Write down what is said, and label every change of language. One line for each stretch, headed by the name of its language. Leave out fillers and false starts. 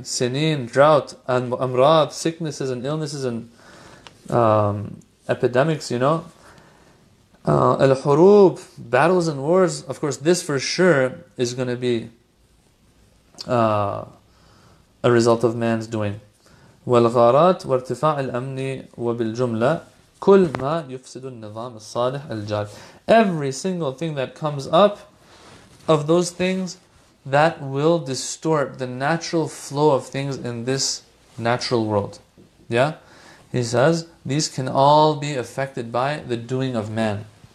English: سنين, drought. And أمراض, sicknesses and illnesses and epidemics, you know. الحروب, battles and wars. Of course, this for sure is going to be a result of man's doing.
Arabic: والغارات وارتفاع الأمن وبالجملة كل ما يفسد النظام الصالح الجاد.
English: Every single thing that comes up of those things that will distort the natural flow of things in this natural world. Yeah? He says, these can all be affected by the doing of man.